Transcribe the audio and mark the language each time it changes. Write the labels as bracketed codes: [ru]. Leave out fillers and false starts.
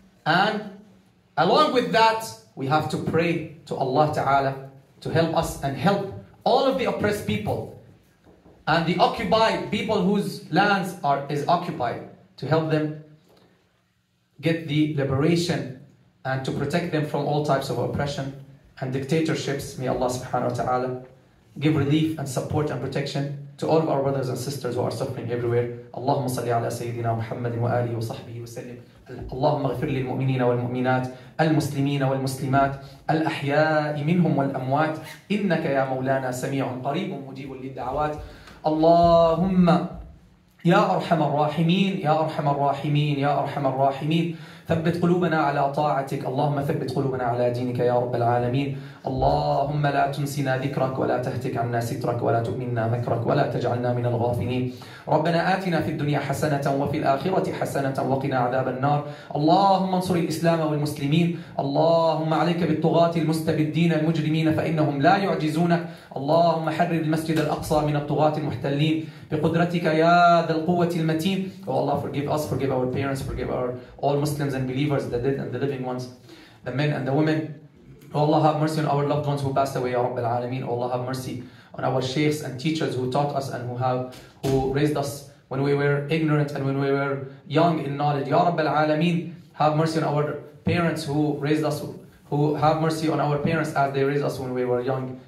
[en] And along with that, we have to pray to Allah Ta'ala to help us and help all of the oppressed people and the occupied people whose lands is occupied, to help them get the liberation and to protect them from all types of oppression and dictatorships. May Allah Subhanahu Wa Ta'ala give relief and support and protection to all of our brothers and sisters who are suffering everywhere. [ar] Allahumma salli ala Sayyidina Muhammad wa alihi wa sahbihi wa sallim. اللهم اغفر للمؤمنين والمؤمنات المسلمين والمسلمات الأحياء منهم والأموات إنك يا مولانا سميع قريب مجيب للدعوات اللهم يا أرحم الراحمين يا أرحم الراحمين يا أرحم الراحمين ثبت قلوبنا على طاعتك اللهم ثبت قلوبنا على دينك يا رب العالمين اللهم لا تنسنا ذكرك ولا تهتك عنا سترك ولا تؤمنا مكرك ولا تجعلنا من الغافلين ربنا آتنا في الدنيا حسنة وفي الآخرة حسنة وقنا عذاب النار اللهم انصر الإسلام والمسلمين اللهم عليك بالطغاة المستبدين المجرمين فإنهم لا يعجزونك اللهم حرر المسجد الأقصى من الطغاة المحتلين بقدرتك يا ذا القوة المتين [en] Oh Allah, forgive us, forgive our parents, forgive our all Muslims and believers, the dead and the living ones, the men and the women. Oh Allah, have mercy on our loved ones who passed away, [ar] Ya Rabbi Al-Alameen. [en] Oh Allah, have mercy on our sheikhs and teachers who taught us and who raised us when we were ignorant and when we were young in knowledge. [ar] Ya Rabbi Al-Alameen, [en] have mercy on our parents who raised us, who have mercy on our parents as they raised us when we were young.